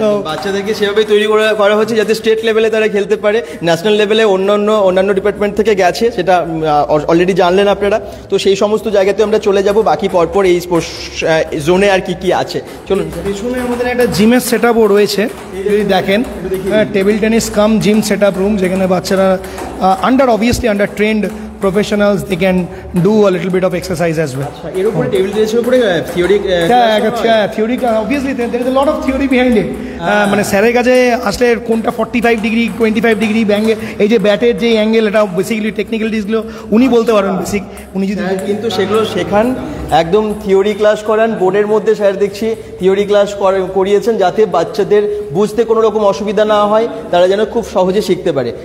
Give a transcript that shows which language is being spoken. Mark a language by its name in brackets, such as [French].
[Bangla] বাচ্চাদেরকে সেভাবেই তৈরি করা হচ্ছে যাতে স্টেট লেভেলে তারা খেলতে পারে, ন্যাশনাল লেভেলে অন্যান্য ডিপার্টমেন্ট থেকে গেছে সেটা অলরেডি জানলেন আপনারা, তো সেই সমস্ত জায়গাতে আমরা চলে যাব বাকি পরপর এই স্পোর্টস জোনে আর কি কি আছে। চলুন, পিছনে আমাদের একটা জিমের সেট আপও রয়েছে, যদি দেখেন টেবিল টেনিস কাম জিম সেট আপ রুম, যেখানে বাচ্চারা under, obviously under trend [English] professionals, they can do a little bit of exercise as well. [Bangla] এর উপরে টেবিল টেনিসের উপরে theory, theory, [English] obviously there is a lot of theory behind it. [Bangla] মানে স্যারের কাছে আসলে কোনটা 45 degree 25 degree ব্যাঙ্গে, এই যে ব্যাটের যে অ্যাঙ্গেল, এটা বেসিক্যালি টেকনিক্যালিটিসগুলো উনি বলতে পারেন বেসিক, উনি যদি, কিন্তু সেগুলো শেখান, একদম থিওরি ক্লাস করান, বোর্ডের মধ্যে স্যার দেখছি থিওরি ক্লাস করিয়েছেন যাতে বাচ্চাদের বুঝতে কোনো রকম অসুবিধা না হয়, তারা যেন খুব সহজে শিখতে পারে।